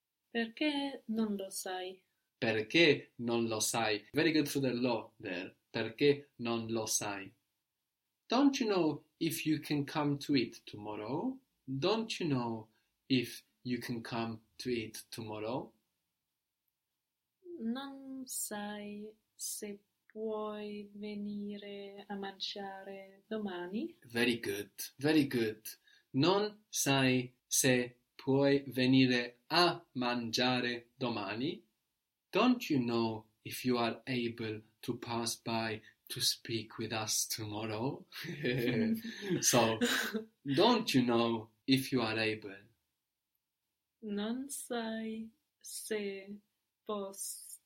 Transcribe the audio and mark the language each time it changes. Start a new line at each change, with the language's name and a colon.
Italian: Perché non lo sai? Perché non lo sai?
English: Very good for the lo there.
Italian: Perché non lo sai?
English: Don't you know if you can come to it tomorrow? Don't you know if you can come to it tomorrow?
Italian: Non sai se puoi venire a mangiare domani.
English: Very good, very good.
Italian: Non sai se puoi venire a mangiare domani?
English: Don't you know if you are able to pass by to speak with us tomorrow? So, don't you know if you are able?
Italian: Non sai se posso.